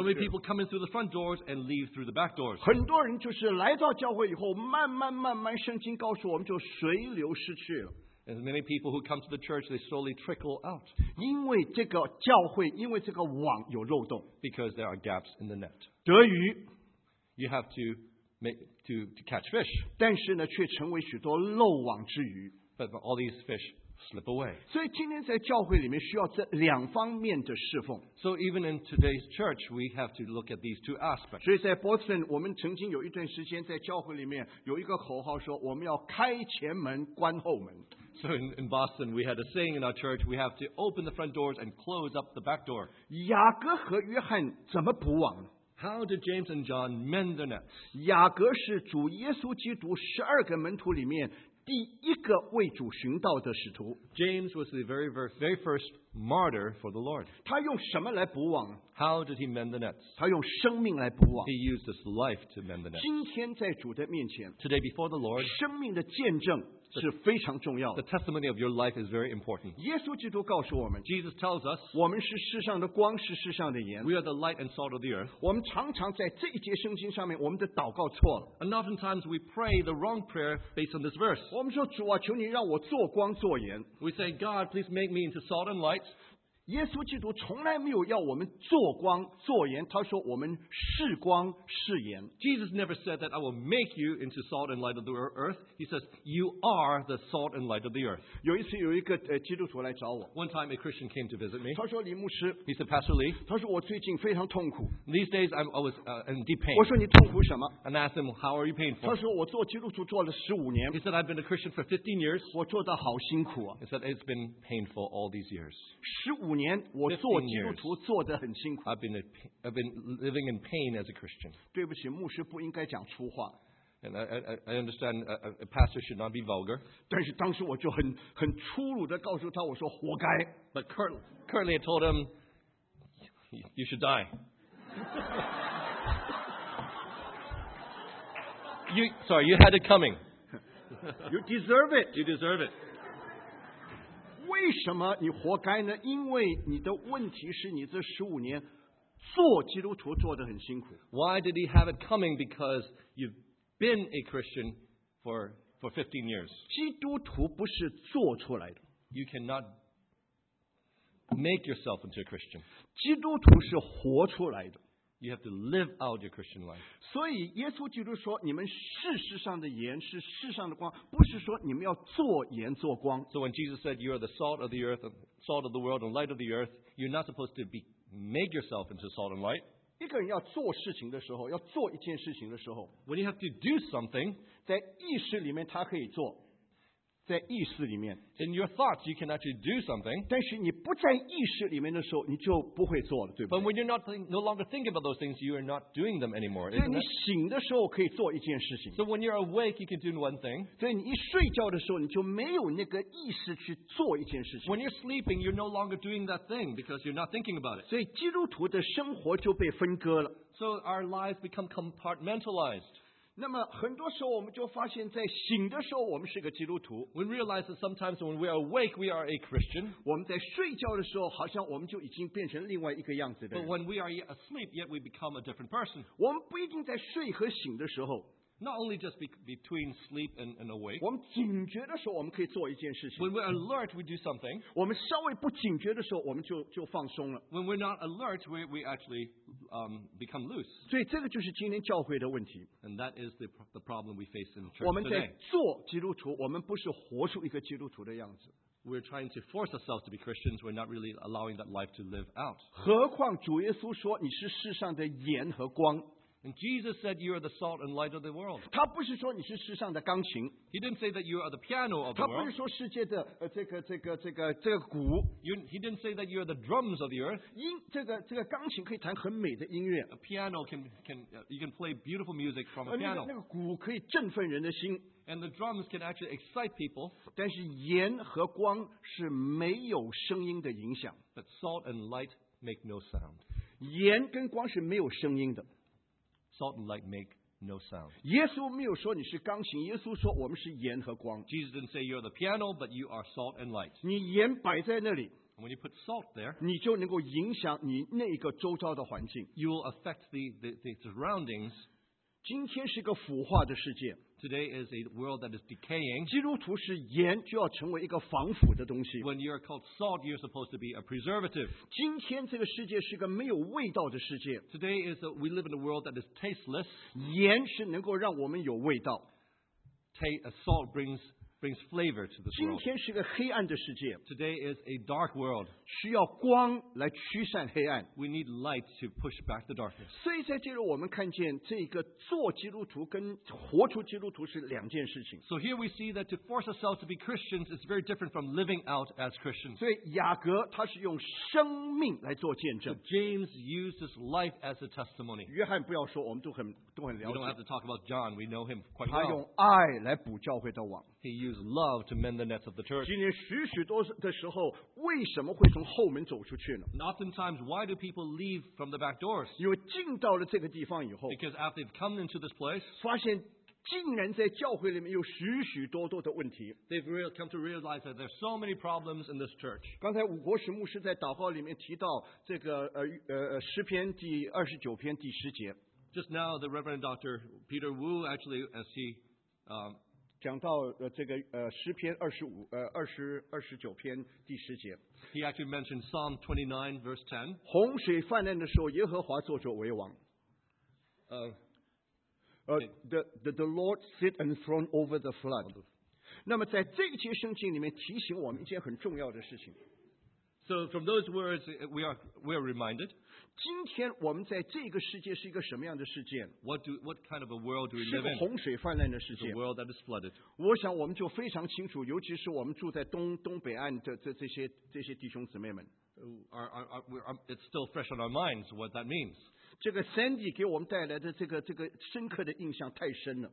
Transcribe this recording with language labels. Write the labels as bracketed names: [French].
[English] So many people come in through the front doors and leave through the back doors. [Chinese] 很多人就是来到教会以后，慢慢慢慢，圣经告诉我们就随流失去了。 [English] And many people who come to the church, they slowly trickle out. [Chinese] 因为这个教会，因为这个网有漏洞。 [English] Because there are gaps in the net. [Chinese] 得鱼 [English] you have to make to catch fish. [Chinese] 但是呢，却成为许多漏网之鱼。 [English] But all these fish. Slip away. [Chinese] 所以今天在教会里面需要这两方面的侍奉。 [English] So even in today's church, we have to look at these two aspects. [Chinese] 所以在 Boston, 我们曾经有一段时间在教会里面有一个口号说我们要开前门关后门。 [English] So in Boston, we had a saying in our church, we have to open the front doors and close up the back door. [Chinese] 雅各和约翰怎么补网？ [English] How did James and John mend the nets? [Chinese] 雅各是主耶稣基督十二个门徒里面第一个为主寻道的使徒。 [English] James was the very, very, very first martyr for the Lord. [Chinese] 他用什么来补网 [English] ？How did he mend the nets? [Chinese] 他用生命来补网。 [English] He used his life to mend the nets. [Chinese] 今天在主的面前 [English] ，Today before the Lord， [Chinese] 生命的见证是非常重要的。 [English] The testimony of your life is very important. [Chinese] 耶稣基督告诉我们 [English] ，Jesus tells us， [Chinese] 我们是世上的光，是世上的盐。 [English] We are the light and salt of the earth. [Chinese] 我们常常在这一节圣经上面，我们的祷告错了。 [English] And oftentimes we pray the wrong prayer based on this verse. [Chinese] 我们说主啊，求你让我做光做盐。 [English] We say, God, please make me into salt and light. [Chinese] 耶稣基督从来没有要我们做光做盐，他说我们是光是盐。 [English] Jesus never said that I will make you into salt and light of the earth. He says you are the salt and light of the earth. [Chinese] 有一次有一个基督徒来找我。 [English] One time a Christian came to visit me. [Chinese] 他说李牧师。 [English] He said Pastor Lee. [Chinese] 他说我最近非常痛苦。 [English] These days I'm always in deep pain. [Chinese] 我说你痛苦什么 [English] ？And asked him how are you painful? [Chinese] 他说我做基督徒做了十五年。 [English] He said I've been a Christian for 15 years. [Chinese] 我做的好辛苦啊。 [English] He said it's been painful all these years. [Chinese] 15年我做基督徒做得很辛苦。 [English] I've been living in pain as a Christian. [Chinese] 对不起，牧师不应该讲粗话。 [English] And I understand a pastor should not be vulgar. [Chinese] 但是当时我就很粗鲁地告诉他，我说活该。 [English] But currently I told him, you should die. you had it coming. You deserve it. You deserve it. [Chinese] 为什么你活该呢？因为你的问题是你这十五年做基督徒做得很辛苦。 [English] Why did he have it coming? Because you've been a Christian for 15 years. [Chinese] 基督徒不是做出来的。 [English] You cannot make yourself into a Christian. [Chinese] 基督徒是活出来的。 [English] You have to live out your Christian life. [Chinese] 所以耶稣基督说，你们是世上的盐，是世上的光，不是说你们要做盐做光。 [English] So when Jesus said you are the salt of the earth, salt of the world, and light of the earth, you're not supposed to make yourself into salt and light. [Chinese] 一个人要做事情的时候，要做一件事情的时候 [English] ，when you have to do something, [Chinese] 在意识里面他可以做。在意识里面。 [English] In your thoughts, you can actually do something. [Chinese] 但是你不在意识里面的时候，你就不会做了，对不对？ [English] But when you're not no longer thinking about those things, you are not doing them anymore. [Chinese] 所以你醒的时候可以做一件事情。 [English] So when you're awake, you can do one thing. [Chinese] 所以你一睡觉的时候，你就没有那个意识去做一件事情。 [English] When you're sleeping, you're no longer doing that thing because you're not thinking about it. [Chinese] 所以基督徒的生活就被分割了。 [English] So our lives become compartmentalized. [Chinese] 那么很多时候我们就发现在醒的时候我们是个基督徒。 [English] We realize that sometimes when we are awake, we are a Christian. [Chinese] 我们在睡觉的时候好像我们就已经变成另外一个样子的人。 [English] But when we are asleep, yet we become a different person. [Chinese] 我们不一定在睡和醒的时候。 [English] Not only just between sleep and awake. [Chinese] 我们警觉的时候我们可以做一件事情。 [English] When we're alert, we do something. [Chinese] 我们稍微不警觉的时候我们就放松了。 [English] When we're not alert, we actually become loose. [Chinese] 所以这个就是今天教会的问题。 [English] And that is the problem we face in the church [Chinese] 我们在做基督徒，我们不是活出一个基督徒的样子。 [English] We're trying to force ourselves to be Christians. We're not really allowing that life to live out. [Chinese] 何况主耶稣说你是世上的盐和光。 [English] And Jesus said, "You are the salt and light of the world." [Chinese] 他不是说你是世上的钢琴。 [English] He didn't say that you are the piano of the world. [Chinese] 他不是说世界的这个鼓。 [English] He didn't say that you are the drums of the earth. [Chinese] 这个钢琴可以弹很美的音乐。 [English] A piano can you can play beautiful music from a piano. [Chinese] 那个鼓可以振奋人的心。 [English] And the drums can actually excite people. [Chinese] 但是盐和光是没有声音的影响。 [English] But salt and light make no sound. [Chinese] 盐跟光是没有声音的。 [English] Salt and light make no sound. [Chinese] 耶稣没有说你是钢琴，耶稣说我们是盐和光。 [English] Jesus didn't say you're the piano, but you are salt and light. [Chinese] 你盐摆在那里， [English] when you put salt there, [Chinese] 你就能够影响你那一个周遭的环境。 [English] You will affect the surroundings. [Chinese] 今天是个腐化的世界。 [English] Today is a world that is decaying. [Chinese] 基督徒是盐，就要成为一个防腐的东西。 [English] When you are called salt, you're supposed to be a preservative. [Chinese] 今天这个世界是个没有味道的世界。 [English] Today is a, we live in a world that is tasteless. [Chinese] 盐是能够让我们有味道。 [English] Salt brings flavor to this world. [Chinese] 今天是个黑暗的世界。 [English] Today is a dark world. [Chinese] 需要光来驱散黑暗。 [English] We need light to push back the darkness. [Chinese] 所以在这里我们看见这个做基督徒跟活出基督徒是两件事情。 [English] So here we see that to force ourselves to be Christians is very different from living out as Christians. [Chinese] 所以雅各他是用生命来做见证。 [English] So James used his life as a testimony. [Chinese] 约翰不要说，我们都很了解。 [English] We don't have to talk about John. We know him quite well. [Chinese] 他用爱来补教会的网。 [English] He used love to mend the nets of the church. [Chinese] 今天许许多的时候，为什么会从后门走出去呢？ [English] And oftentimes, why do people leave from the back doors? [Chinese] 因为进到了这个地方以后， [English] because after they've come into this place, [Chinese] 发现竟然在教会里面有许许多多的问题。 [English] They've come to realize that there's so many problems in this church. [Chinese] 刚才伍国石牧师在祷告里面提到这个诗篇第二十九篇第十节。 [English] Just now, the Reverend Dr. Peter Wu actually, as he, [Chinese] 讲到这个诗篇二十五二十九篇第十节。 [English] He actually mentioned Psalm 29 verse 10. [Chinese] 洪水泛滥的时候，耶和华坐着为王。 [English] The Lord sit enthroned over the flood. [Chinese] 那么在这一节圣经里面提醒我们一件很重要的事情。 [English] So from those words we are reminded. [Chinese] 今天我们在这个世界是一个什么样的世界？ [English] What kind of a world do we live in? [Chinese] 是个洪水泛滥的世界。 [English] It's a world that is flooded. [Chinese] 我想我们就非常清楚，尤其是我们住在东北岸的这些弟兄姊妹们。 [English] It's still fresh on our minds what that means. [Chinese] 这个 Sandy 给我们带来的这个深刻的印象太深了。